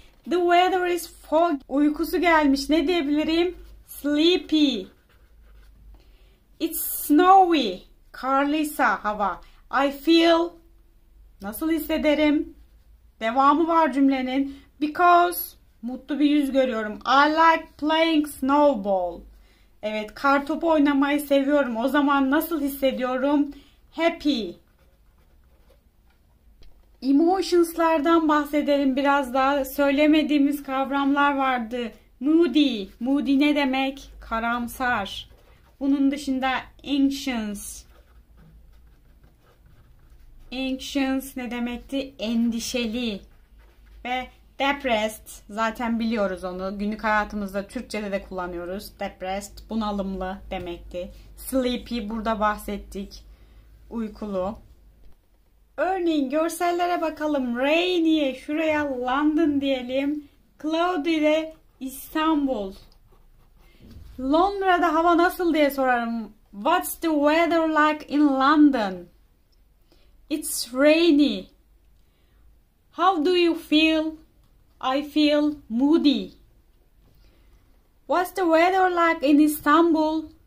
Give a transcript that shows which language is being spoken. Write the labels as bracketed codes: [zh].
[en] The weather is fog. [tr] Uykusu gelmiş. Ne diyebilirim? Sleepy. [en] It's snowy. [tr] Karlıysa hava. [en] I feel [tr] nasıl hissederim? Devamı var cümlenin. Because mutlu bir yüz görüyorum. [en] I like playing snowball. [tr] Evet, kar topu oynamayı seviyorum. O zaman nasıl hissediyorum? Happy. Emotions'lardan bahsedelim biraz daha. Söylemediğimiz kavramlar vardı. Moody. Moody ne demek? Karamsar. Bunun dışında anxious. Anxious ne demekti? Endişeli. Ve depressed, zaten biliyoruz onu. Günlük hayatımızda Türkçe'de de kullanıyoruz. Depressed, bunalımlı demekti. Sleepy, burada bahsettik. Uykulu. Örneğin görsellere bakalım. Rainy'ye şuraya London diyelim. Cloudy'de İstanbul. Londra'da hava nasıl diye sorarım. [en] What's the weather like in London? It's rainy. How do you feel? I feel moody. What's the weather like in Istanbul?